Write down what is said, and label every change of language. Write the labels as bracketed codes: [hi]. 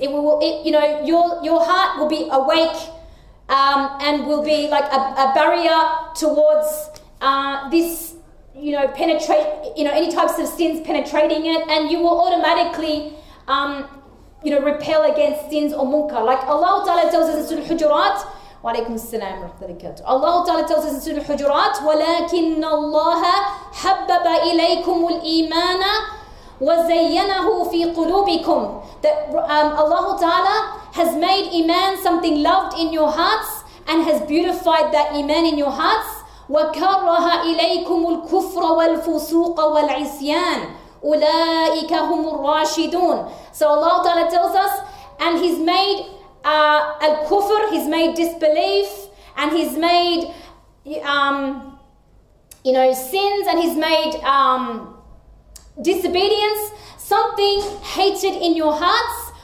[en] Your heart will be awake. And will be like a barrier towards this, you know, penetrate, you know, any types of sins penetrating it, and you will automatically, you know, repel against sins or munkar. Like Allah Ta'ala tells us in Surah Al-Hujurat, wa alaykum as-salam wa rahmatullahi. Allah Ta'ala tells us in Surah Al-Hujurat, [ar] وَلَكِنَّ اللَّهَ حَبَّبَ إِلَيْكُمُ الْإِيمَانَ وَزَيَّنَهُ فِي قُلُوبِكُمْ. [en] That Allah Ta'ala has made iman something loved in your hearts and has beautified that iman in your hearts. [ar] وَكَرَّهَ إِلَيْكُمُ الْكُفْرَ وَالْفُسُوقَ وَالْعِصْيَانَ أُولَٰئِكَ هُمُ الرَّاشِدُونَ. [en] So Allah Ta'ala tells us, and he's made al-kufr, he's made disbelief, and he's made sins, and he's made disobedience something hated in your hearts.